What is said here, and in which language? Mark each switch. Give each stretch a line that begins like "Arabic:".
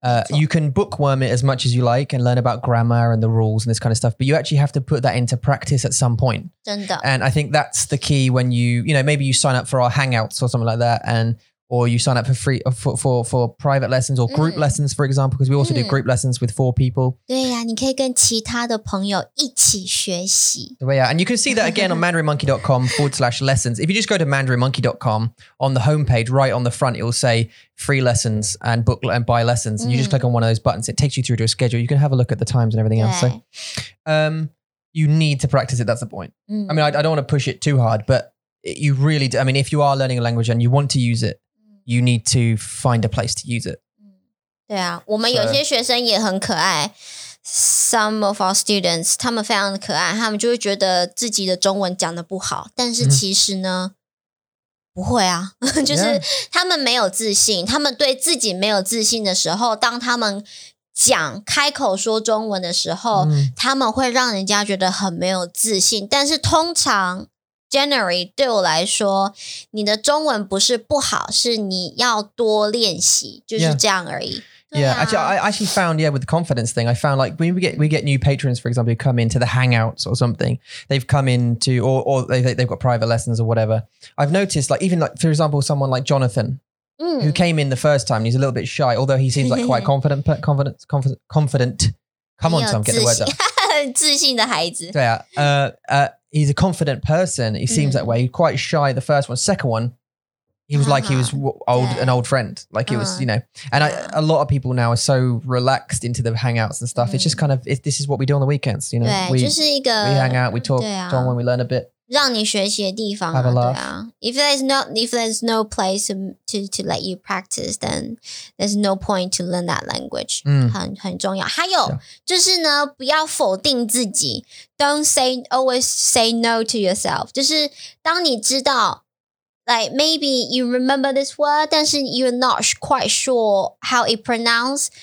English: You can bookworm it as much as you like and learn about grammar and the rules and this kind of stuff. But you actually have to put that into practice at some point. And I think that's the key when you know, maybe you sign up for our hangouts or something like that or you sign up for free for private lessons or group lessons, for example, because we also do group lessons with four people.
Chinese: 对呀，你可以跟其他的朋友一起学习。
English: Yeah, and you can see that again on mandarinmonkey.com/lessons. If you just go to mandarinmonkey.com on the homepage, right on the front, it will say free lessons and book and buy lessons. And you just click on one of those buttons. It takes you through to a schedule. You can have a look at the times and everything else. So you need to practice it. That's the point. I mean, I don't want to push it too hard, but you really do. I mean, if you are learning a language and you want to use it, you need to find a place to use it.
Chinese: 对啊，我们有些学生也很可爱。
English: Some of our students,
Chinese: 他们非常可爱，他们就会觉得自己的中文讲得不好，但是其实呢，不会啊，就是他们没有自信，他们对自己没有自信的时候，当他们讲开口说中文的时候，他们会让人家觉得很没有自信，但是通常 January 对我来说，你的中文不是不好，是你要多练习，就是这样而已。
English: I actually found with the confidence thing. I found like when we get new patrons, for example, who come into the hangouts or something. They've come into or they've got private lessons or whatever. I've noticed like even like for example, someone like Jonathan, who came in the first time. He's a little bit shy, although he seems like quite confident. Come on, Tom, get the words out.
Chinese: 很自信的孩子。对啊，
English: He's a confident person. He seems that way. He's quite shy the first one. Second one, He was like, he was old, an old friend. Like it was, you know, and a lot of people now are so relaxed into the hangouts and stuff. It's just kind of, this is what we do on the weekends. You know, we hang out, we talk, talk when we learn a bit.
Chinese: 让你学习的地方啊,
English: have a laugh. If there's no place to let you practice, then there's no point to learn that language.
Chinese: 很重要。还有就是呢,不要否定自己。
English: Always say no to yourself.
Chinese: 就是当你知道,
English: like maybe you remember this word,
Chinese: 但是
English: you're not quite sure how it pronounced.